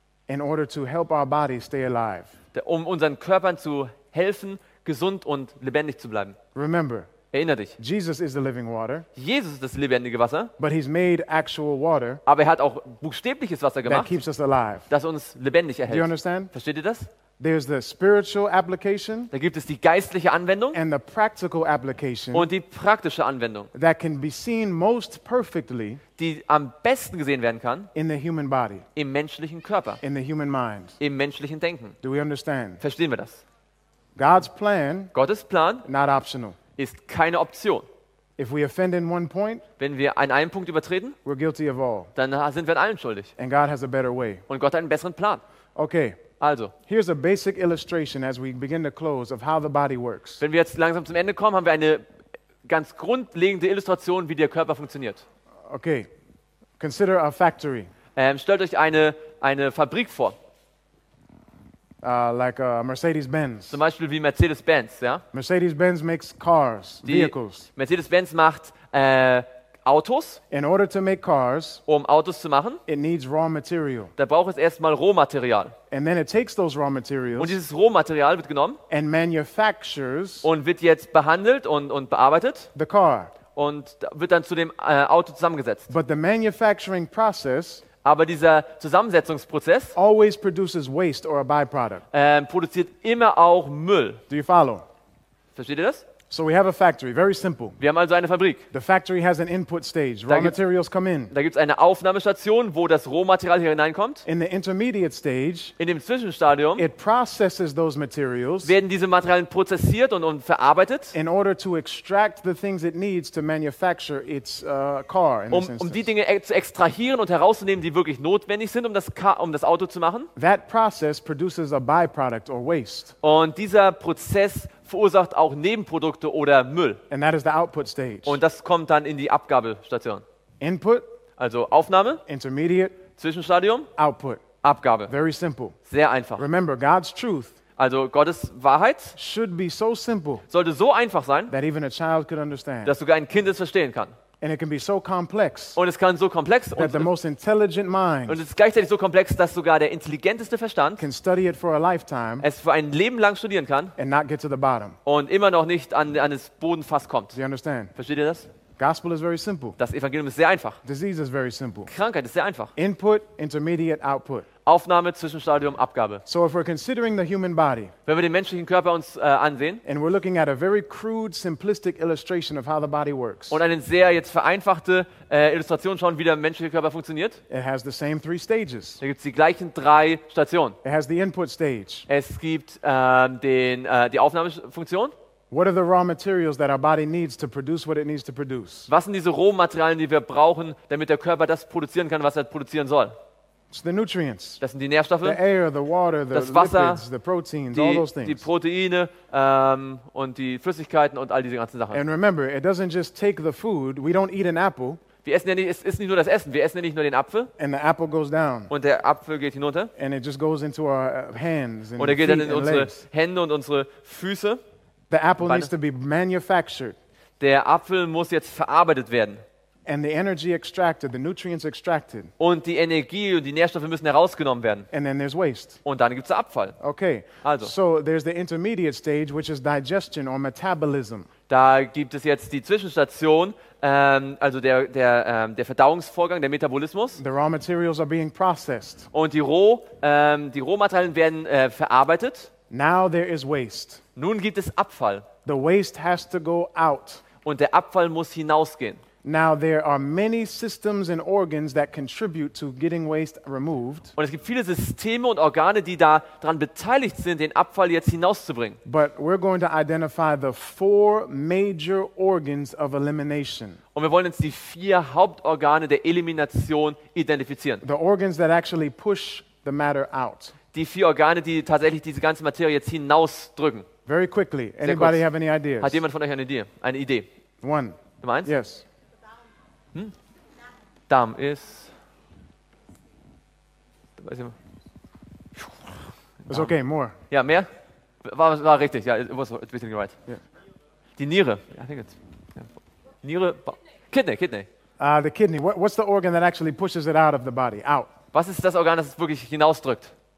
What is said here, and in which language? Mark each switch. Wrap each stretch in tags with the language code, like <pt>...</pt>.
<en>In order to help our body stay alive.</en> <de>Um unseren Körpern zu helfen, gesund und lebendig zu bleiben.</de> <en>Remember.</en> <de>Erinner dich.</de> <en>Jesus is the living water.</en> <de>Jesus ist das lebendige Wasser.</de> <en>But he's made actual water.</en> <de>Aber er hat auch buchstäbliches Wasser gemacht.</de> <en>That keeps us alive.</en> <de>Das uns lebendig erhält.</de> <en>Do you understand?</en> <de>Versteht ihr das?</de> <en>There's the spiritual application.</en> <de>Da gibt es die geistliche Anwendung.</de> <en>And the practical application.</en> <de>Und die praktische Anwendung.</de> <en>That can be seen most perfectly.</en> <de>Die am besten gesehen werden kann.</de> <en>In the human body.</en> <de>Im menschlichen Körper.</de> <en>In the human mind.</en> <de>Im menschlichen Denken.</de> <en>Do we understand?</en> <de>Verstehen wir das?</de> <en>God's plan.</en> <de>Gottes Plan.</de> <en>Not optional.</en> <de>Ist keine Option.</de> <en>If we offend in one point.</en> <de>Wenn wir an einem Punkt übertreten.</de> <en>We're guilty of all.</en> <de>Dann sind wir an allen schuldig.</de> <en>And God has a better way.</en> <de>Und Gott hat einen besseren Plan.</de> <en>Okay.</en> <de>Also,</de> <en>here's a basic illustration as we begin to close of how the body works.</en> <de>Wenn wir jetzt langsam zum Ende kommen, haben wir eine ganz grundlegende Illustration, wie der Körper funktioniert.</de> <en>Okay. Consider a factory.</en> <de>Stellt euch eine Fabrik vor.</de> <en>Like a Mercedes-Benz.</en> <de>Zum Beispiel wie Mercedes-Benz, ja?</de> <en>Mercedes-Benz makes cars, vehicles.</en> <de>Mercedes-Benz macht Autos.</de> <en>In order to make cars,</en> <de>um Autos zu machen,</de> <en>it needs raw material.</en> <de>Da braucht es erstmal Rohmaterial.</de> <en>And then it takes those raw materials.</en> <de>Und dieses Rohmaterial wird genommen.</de> <en>And manufactures.</en> <de>Und wird jetzt behandelt und bearbeitet.</de> <en>The car.</en> <de>Und wird dann zu dem Auto zusammengesetzt.</de> <en>But the manufacturing process.</en> <de>Aber dieser Zusammensetzungsprozess.</de> <en>Always produces waste or a byproduct.</en> <de>Produziert immer auch Müll.</de> <en>Do you follow?</en> <de>Versteht ihr das?</de> <en>So we have a factory, very simple.</en> <de>Wir haben also eine Fabrik.</de> <en>The factory has an input stage. Raw materials come in.</en> <de>Da gibt's eine Aufnahmestation, wo das Rohmaterial hier hineinkommt.</de> <en>In the intermediate stage,</en> <de>in dem Zwischenstadium,</de> <en>it processes those materials.</en> <de>Werden diese Materialien prozessiert und verarbeitet?</de> <en>In order to extract the things it needs to manufacture its car.</en> <de>Um die Dinge zu extrahieren und herauszunehmen, die wirklich notwendig sind, um das Auto zu machen.</de> <en>That process produces a byproduct or waste.</en> <de>Und dieser Prozess verursacht auch Nebenprodukte oder Müll.</de> <en>And that is the output stage.</en> <de>Und das kommt dann in die Abgabestation.</de> <en>Input,</en> <de>also Aufnahme,</de> <en>intermediate,</en> <de>Zwischenstadium,</de> <en>output,</en> <de>Abgabe.</de> <en>Very simple.</en> <de>Sehr einfach.</de> <en>Remember, God's truth,</en> <de>also Gottes Wahrheit,</de> <en>should be so simple,</en> <de>sollte so einfach sein,</de> <en>that even a child could understand,</en> <de>dass sogar ein Kind es verstehen kann.</de> <en>And it can be so complex,</en> <de>und es kann so komplex</de> <en>that the most intelligent mind,</en> <de>und es ist gleichzeitig so komplex, dass sogar der intelligenteste Verstand</de> <en>can study it for a lifetime,</en> <de>es für ein Leben lang studieren kann</de> <en>and not get to the bottom,</en> <de>und immer noch nicht an das Bodenfass kommt.</de> <en>Do you understand?</en> <de>Versteht ihr das?</de> <en>Gospel is very simple.</en> <de>Das Evangelium ist sehr einfach.</de> <en>Disease is very simple.</en> <de>Krankheit ist sehr einfach.</de> <en>Input, intermediate, output.</en> <de>Aufnahme, Zwischenstadium, Abgabe.</de> <en>So if we're considering the human body,</en> <de>wenn wir den menschlichen Körper uns ansehen,</de> <en>and we're looking at a very crude, simplistic illustration of how the body works,</en> <de>und eine sehr jetzt vereinfachte Illustration schauen, wie der menschliche Körper funktioniert,</de> <en>it has the same three stages.</en> <de>Da gibt's die gleichen drei Stationen.</de> <en>It has the input stage.</en> <de>Es gibt die Aufnahmefunktion.</de> <en>What are the raw materials that our body needs to produce what it needs to produce?</en> <de>Was sind diese Rohmaterialien, die wir brauchen, damit der Körper das produzieren kann, was er produzieren soll?</de> <en>It's the nutrients.</en> <de>Das sind die Nährstoffe.</de> <en>The air, the water, the</en> <de>das Wasser,</de> <en>lipids, the proteins, all those things.</en> <de>Die Proteine und die Flüssigkeiten und all diese ganzen Sachen.</de> <en>And remember, it doesn't just take the food. We don't eat an apple.</en> <de>Wir essen ja nicht, es ist nicht nur das Essen, wir essen ja nicht nur den Apfel.</de> <en>And the apple goes down.</en> <de>Und der Apfel geht hinunter.</de> <en>And it just goes into our hands and feet and legs.</en> <de>Und er geht dann in unsere Hände und unsere Füße.</de> <en>The apple needs to be manufactured.</en> <de>Der Apfel muss jetzt verarbeitet werden.</de> <en>And the energy extracted, the nutrients extracted.</en> <de>Und die Energie und die Nährstoffe müssen herausgenommen werden.</de> <en>And then there's waste.</en> <de>Und dann gibt's Abfall.</de> <en>Okay.</en> <de>Also.</de> <en>So there's the intermediate stage, which is digestion or metabolism.</en> <de>Da gibt es jetzt die Zwischenstation, also der Verdauungsvorgang, der Metabolismus.</de> <en>The raw materials are being processed.</en> <de>Und die Rohmaterialien werden verarbeitet.</de> <en>Now there is waste.</en> <de>Nun gibt es Abfall.</de> <en>The waste has to go out.</en> <de>Und der Abfall muss hinausgehen.</de> <en>Now there are many systems and organs that contribute to getting waste removed.</en> <de>Und es gibt viele Systeme und Organe, die da dran beteiligt sind, den Abfall jetzt hinauszubringen.</de> <en>But we're going to identify the four major organs of elimination.</en> <de>Und wir wollen jetzt die vier Hauptorgane der Elimination identifizieren.</de> <en>The organs that actually push the matter out.</en> <de>Die vier Organe, die tatsächlich diese ganze Materie jetzt hinausdrücken.</de> <en>Very quickly. Anybody have any ideas?</en> <de>Hat jemand von euch eine Idee? Eine Idee?</de> <en>One.</en> <de>Du meinst?</de> <en>Yes.</en> <de>Hm? Darm ist. Da weiß ich</de> <en>mal. It's okay, more.</en> <de>Ja, mehr? War richtig, ja,</de> <en>it was a bit right. Yeah.</en> <de>Die Niere.</de> <en>I think it's, yeah. Niere. Kidney. The kidney. What's the organ that actually pushes it out of the body? Out.</en> <de>Was ist das Organ, das es wirklich hinausdrückt?</de>